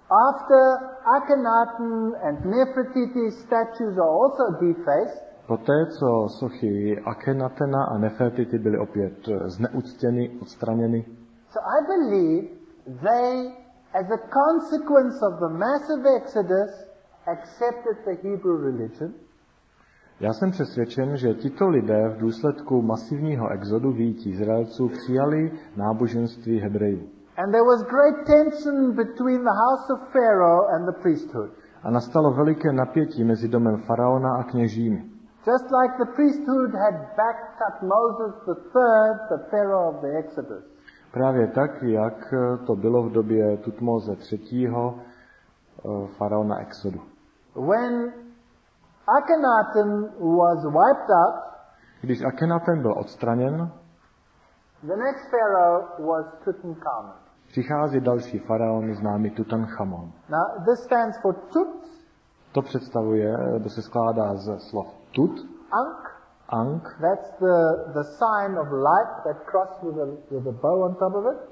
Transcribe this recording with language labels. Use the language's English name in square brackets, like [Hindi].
[English] After Akhenaten and Nefertiti statues are also defaced. [Czech] Poté co sochy Akhenatena a Nefertiti byly opět zneuctěny, odstraněny. [English] So I believe they, as a consequence of the massive exodus, accepted the Hebrew religion. [Czech] Já jsem přesvědčen, že tito lidé v důsledku masivního exodu vyjití Izraelců přijali náboženství Hebrejů. [English] And there was great tension between the house of Pharaoh and the priesthood. [Czech] A nastalo veliké napětí mezi domem faraona a kněžími. [English] Just like the priesthood had backed up Moses the third, the pharaoh of the Exodus. [Czech] Právě tak, jak to bylo v době Tutmoze třetího faraona Exodu. [English] When Akhenaten was wiped out, [Czech] když Akhenaten byl odstraněn, [English] the next pharaoh was Tutankhamun. [Czech] Přichází další faraon známý Tutankhamon. [English] Now, this stands for Tut. [Czech] To představuje, to se skládá ze slov Tut, [English] Ankh, [Czech] ankh. [English] That's the sign of life, that cross with a bow on top of it.